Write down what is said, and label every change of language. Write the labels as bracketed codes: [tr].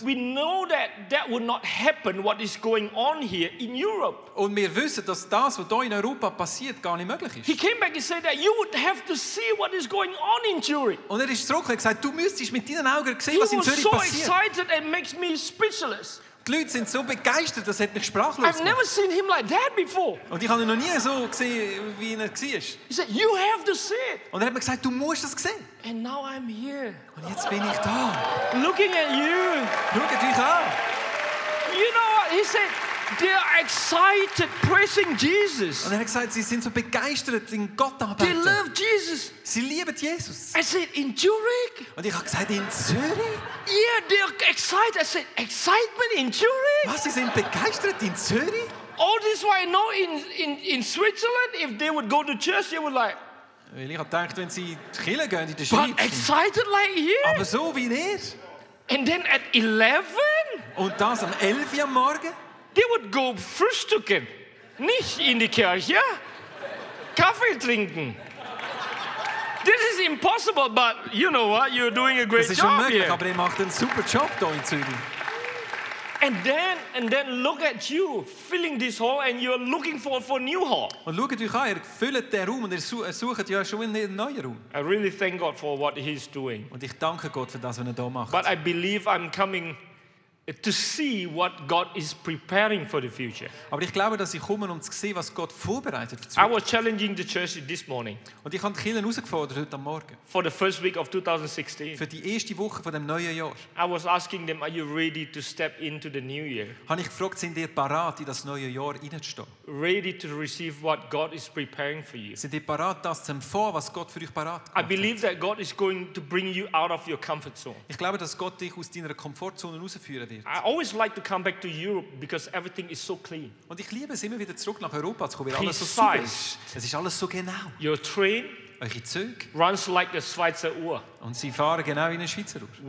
[en] We know that would not happen what is going on here in Europe. [de] Und wir wissen, dass das, was da in Europa passiert, gar nicht möglich ist. [en] He came back and said that you would have to see what is going on in Zurich. [de] Und er ist zurückgekommen und gesagt, du müsstest mit deinen Augen sehen, [en] he [de] was in Zürich [en] so [de] passiert. [en] He was so excited and makes me speechless. [de] Die Leute sind so begeistert, das hat mich sprachlos gemacht. [en] I've never seen him like that before. [de] Und ich habe ihn noch nie so gesehen, wie er war. [en] He said, you have to see it. [de] Und er hat mir gesagt, du musst das sehen. [en] And now I'm here. [de] Und jetzt bin ich da. [en] Looking at you. [de] Schaut euch an. [en] You know what? He said, they're excited praising Jesus. [de] Und er hat gesagt, sie sind so begeistert in Gott arbeiten. [en] They love Jesus. [de] Sie lieben Jesus. [en] I said, in Zurich? [de] Und ich habe gesagt, in Zürich? [en] Yeah, they're excited. I said, excitement in Zurich? [de] Was, sie sind begeistert in Zürich? [en] All this while I know in Switzerland, if they would go to church, they would like... [de] Weil ich habe gedacht, wenn sie in die Kirche gehen in der Schweiz... [en] But excited like here? [de] Aber so wie er. [en] And then at 11? [de] Und das am 11 Uhr am Morgen? [en] They would go [de] frühstücken, nicht in die Kirche, Kaffee trinken. [en] This is impossible, but you know what? You're doing a great job here. [de] Das ist unmöglich, aber er macht einen super Job hier in Zürich. [en] And then look at you, filling this hall, and you're looking for a new hall. [de] Und schaut euch an, ihr füllt den Raum und ihr sucht ja schon einen neuen Raum. [en] I really thank God for what he's doing. [de] Und ich danke Gott für das, was er hier macht. [en] But I believe I'm coming to see what God is preparing for the future. [de] Aber ich glaube, dass ich komme, um zu sehen, was Gott vorbereitet für die Zukunft. [en] I was challenging the church this morning. [de] Und ich habe die Kirche herausgefordert heute Morgen. [en] For the first week of 2016. [de] Für die erste Woche von dem neuen Jahr. [en] I was asking them, are you ready to step into the new year? [de] Habe ich gefragt, sind ihr bereit, in das neue Jahr hineinzustehen? [en] Ready to receive what God is preparing for you. [de] Sind ihr bereit, das zu empfangen, was Gott für euch bereit hat? [en] I believe that God is going to bring you out of your comfort zone. [de] Ich glaube, dass Gott dich aus deiner Komfortzone herausführen wird. [en] I always like to come back to Europe because everything is so clean. [de] Und ich liebe es immer wieder zurück nach Europa zu kommen, weil alles so super ist. Es ist alles so genau. [en] Your train, [de] eure Züge, [en] runs like a Schweizer Uhr. [de] Und sie fahren genau wie eine Schweizer Uhr.